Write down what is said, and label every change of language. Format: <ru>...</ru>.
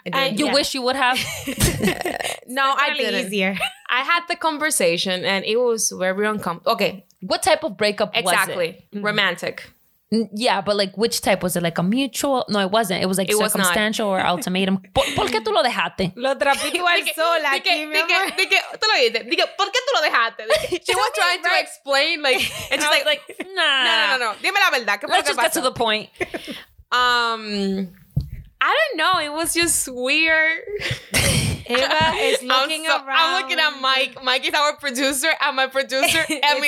<en>And you wish you would have. No, definitely I didn't. Easier. I had the conversation and it was very uncomfortable. Okay. What type of breakup exactly. was it? Exactly. Romantic. Yeah, but like which type was it? Like a mutual? No, it wasn't. It was like circumstantial or ultimatum.</en> <es>¿Por qué tú lo dejaste? Lo trapito al sol aquí, mi amor. Dije, tú lo dices. Dije, ¿por qué tú lo dejaste?</es> <en>She was trying to explain, like, and she's like, no.</en> <es>Dime la verdad. ¿Qué</es> <en>Let's just</en> <es>pasó?</es> <en>Get to the point. I don't know. It was just weird. Eva is looking around. I'm looking at Mike. Mike is our producer, and my producer, Emmy.</en>